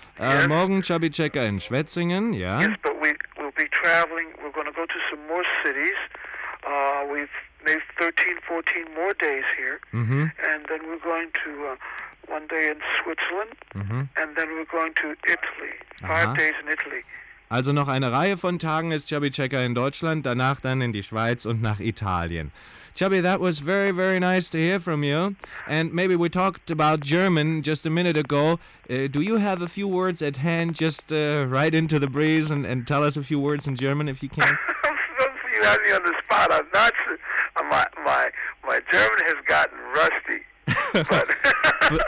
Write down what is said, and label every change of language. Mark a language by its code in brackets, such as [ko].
[en] Yes. [de] Morgen Chubby Checker in Schwetzingen. Yeah. [en] Yes, but we'll be traveling. We're going to go to some more cities. We've made 13, 14 more days here. Mm-hmm. And then we're going to one day in Switzerland. Mm-hmm. And then we're going to Italy. 5 Aha. days in Italy. [de] Also noch eine Reihe von Tagen ist Chubby Checker in Deutschland, danach dann in die Schweiz und nach Italien. [en] Chubby, that was very, very nice to hear from you. And maybe we talked about German just a minute ago. Do you have a few words at hand just right into the breeze and tell us a few words in German if you can? You have me on the spot. I'm not sure. My German has gotten rusty.